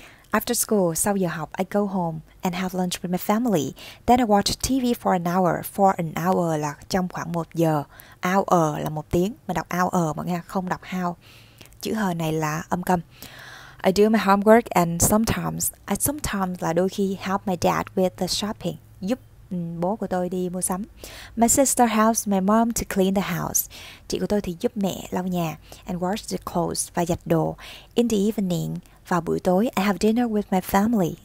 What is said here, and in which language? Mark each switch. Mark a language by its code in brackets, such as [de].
[en] After school, [vi] sau giờ học, [en] I go home and have lunch with my family. Then I watch TV for an hour. For an hour [vi] là trong khoảng một giờ. Hour là một tiếng. Mình đọc hour mọi người, không đọc how. Chữ h này là âm câm. [en] I do my homework and sometimes [vi] là đôi khi [en] help my dad with the shopping. [vi] Giúp bố của tôi đi mua sắm. [en] My sister helps my mom to clean the house. [vi] Chị của tôi thì giúp mẹ lau nhà. [en] And wash the clothes [vi] và giặt đồ. [en] In the evening, [vi] vào buổi tối, [en] I have dinner with my family.